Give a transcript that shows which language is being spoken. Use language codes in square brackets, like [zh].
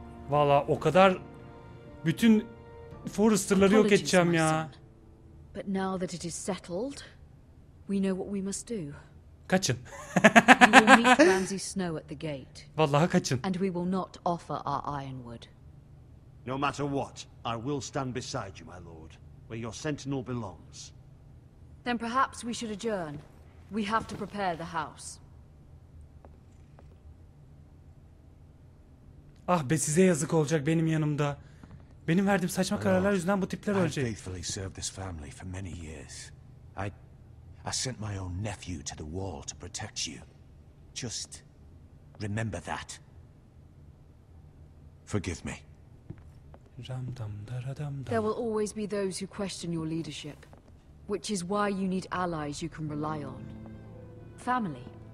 [tr] Vallahi o kadar bütün Forrester'ları yok edeceğim ya. [en] But now that it is settled, we know what we must do. [tr] Kaçın. [en] You will meet Ramsay Snow at the gate. [tr] Vallahi kaçın. [en] And we will not offer our ironwood. No matter what, I will stand beside you, my lord, where your sentinel belongs. Then perhaps we should adjourn. We have to prepare the house. [tr] Ah be, size yazık olacak benim yanımda. Benim verdiğim saçma kararlar yüzünden bu tipler ölecek. [en] I faithfully served this family for many years. I sent my own nephew to the wall to protect you. Just remember that. Forgive me. There will always be those who question your leadership, which is why you need allies you can rely on. Family.